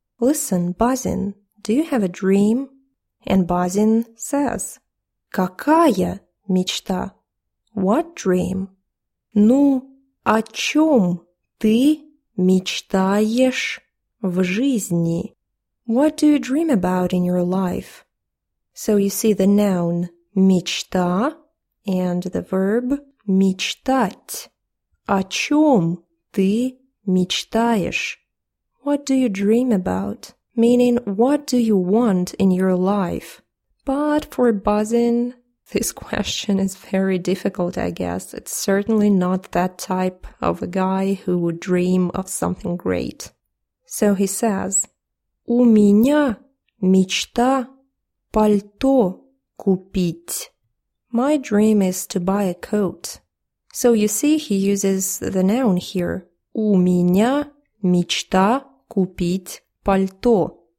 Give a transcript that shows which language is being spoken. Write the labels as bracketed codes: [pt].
[en] Listen, Базин, do you have a dream? And Базин says, [ru] какая мечта? [en] What dream? [ru] Ну, о чем ты мечтаешь в жизни? [en] What do you dream about in your life? So you see the noun мечта and the verb мечтать. [ru] О чем ты мечтаешь? [en] What do you dream about? Meaning, what do you want in your life? But for Базин, this question is very difficult, I guess. It's certainly not that type of a guy who would dream of something great. So he says, [ru] у меня мечта пальто купить. [en] My dream is to buy a coat. So you see, he uses the noun here. [ru] У меня мечта купить пальто.